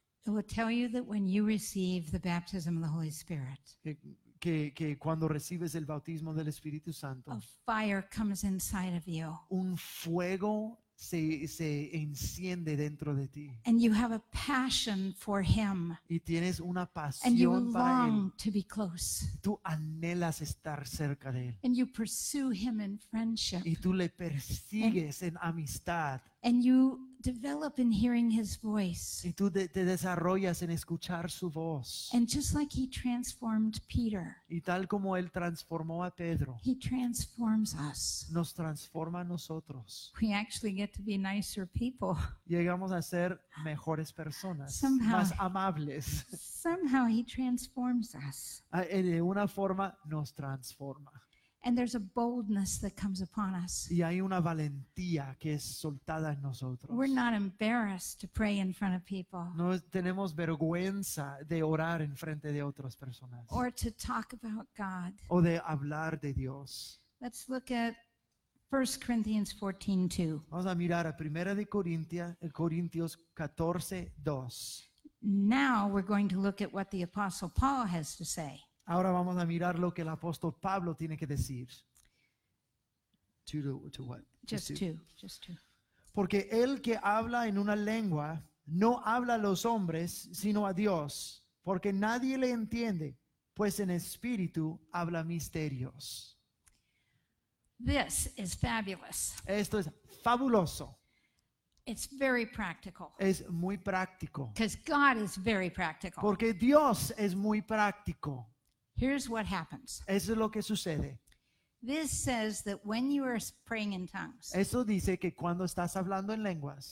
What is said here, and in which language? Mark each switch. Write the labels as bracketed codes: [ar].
[en] It will tell you that when you receive the baptism of the Holy Spirit. [es] Que cuando recibes el bautismo del Espíritu Santo. [en] A fire comes inside of you. [es] Un fuego se enciende dentro de ti. [en] And you have a passion for him. [es] Y tienes una pasión [en] and you [es] para [en] long [es] él. [en] To be close. [es] Tú anhelas estar cerca de él. [en] And you pursue him in friendship. [es] Y tú le persigues en amistad. [en] And you develop in hearing his voice. [es] Y tú te desarrollas en escuchar su voz. [en] And just like he transformed Peter. [es] Y tal como él transformó a Pedro. [en] He transforms us. [es] Nos transforma a nosotros. [en] We actually get to be nicer people. [es] Llegamos a ser mejores personas. [en] Somehow, [es] más amables. [en] Somehow he transforms us. [es] De una forma nos transforma. [en] And there's a boldness that comes upon us. [es] Y hay una valentía que es soltada en nosotros. [en] We're not embarrassed to pray in front of people. [es] No tenemos vergüenza de orar en frente de otras personas. [en] Or to talk about God. [es] O de hablar de Dios. [en] Let's look at 1 Corinthians 14:2. [es] Vamos a mirar a Primera de Corintios 14:2. [en] Now we're going to look at what the Apostle Paul has to say. [es] Ahora vamos a mirar lo que el apóstol Pablo tiene que decir. [en] To what? Just two. [es] Porque el que habla en una lengua no habla a los hombres, sino a Dios, porque nadie le entiende, pues en espíritu habla misterios. [en] This is fabulous. [es] Esto es fabuloso. [en] It's very practical. [es] Es muy práctico. [en] Because God is very practical. [es] Porque Dios es muy práctico. [en] Here's what happens. [es] Eso es lo que sucede. [en] This says that when you are praying in tongues, [es] eso dice que cuando estás hablando en lenguas,